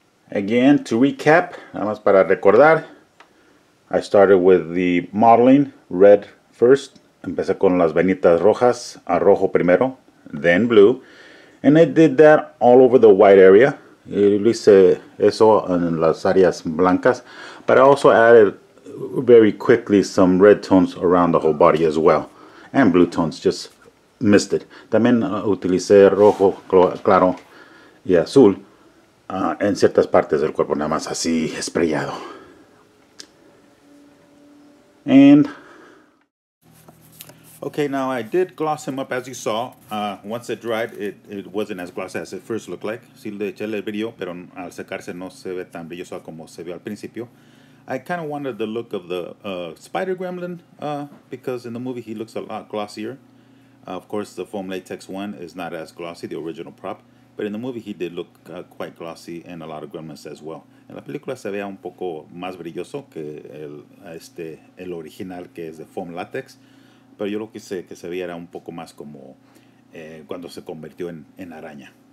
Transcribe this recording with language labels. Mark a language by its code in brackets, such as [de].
[en] Again, to recap, [es] nada más para recordar, [en] I started with the modeling, red first. [es] Empecé con las venitas rojas, a rojo primero, [en] then blue. And I did that all over the white area. [es] Y lo hice eso en las áreas blancas. [en] But I also added very quickly some red tones around the whole body as well. And blue tones, just missed it. [es] También utilicé rojo, claro, y azul. En ciertas partes del cuerpo, nada más así, esprayado. [en] And okay, now I did gloss him up, as you saw. Once it dried, it wasn't as glossy as it first looked like. [es] Sí, le eché el brillo, pero al secarse no se ve tan brilloso como se vio al principio. [en] I kind of wanted the look of the spider gremlin, because in the movie he looks a lot glossier. Of course, the foam latex one is not as glossy, the original prop. But in the movie, he did look quite glossy and a lot of gremlins as well. [es] En la película se veía un poco más brilloso que el original, que es de foam latex. Pero yo lo que sé que se viera un poco más como cuando se convirtió en araña.